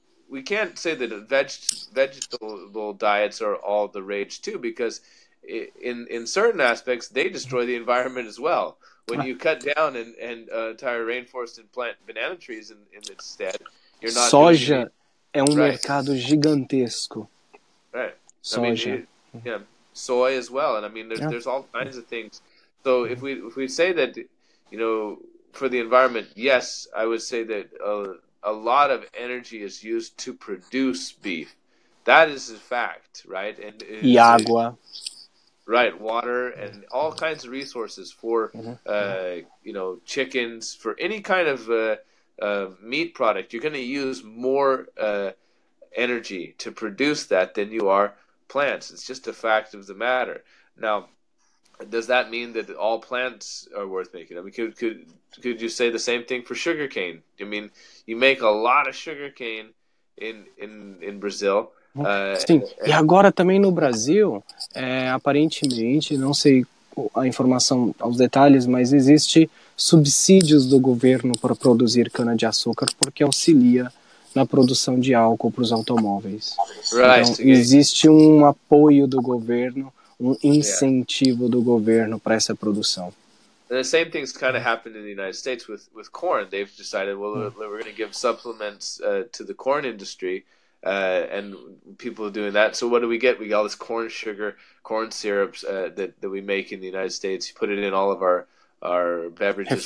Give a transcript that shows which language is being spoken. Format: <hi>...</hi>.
<en>We can't say that vegetable diets are all the rage too, because in certain aspects they destroy the environment as well. When you cut down an entire rainforest and plant banana trees in its stead, you're not.</en> <pt>Soja é mercado gigantesco.</pt> <en>Right.</en> <pt>Soja.</pt> <en>I mean, soy as well, and I mean, there's all kinds of things. So if we say that, you know, for the environment, yes, I would say that. A lot of energy is used to produce beef. That is a fact, right? And y agua. Right, water and all kinds of resources for, you know, chickens, for any kind of meat product. You're going to use more energy to produce that than you are plants. It's just a fact of the matter. Now, does that mean that all plants are worth making? I mean, could you say the same thing for sugarcane? I mean, you make a lot of sugarcane in Brazil.</en> <pt>Sim, e agora também no Brasil, aparentemente, não sei a informação aos detalhes, mas existe subsídios do governo para produzir cana-de-açúcar porque auxilia na produção de álcool para os automóveis.</pt> <en>Right.</en> <pt>Então, existe um apoio do governo, um incentivo do governo para essa produção.</pt> <en>And the same thing's kind of happened in the United States with corn. They've decided, well, we're going to give supplements to the corn industry, and people are doing that. So what do we get? We got all this corn sugar, corn syrups that we make in the United States. You put it in all of our beverages.</en>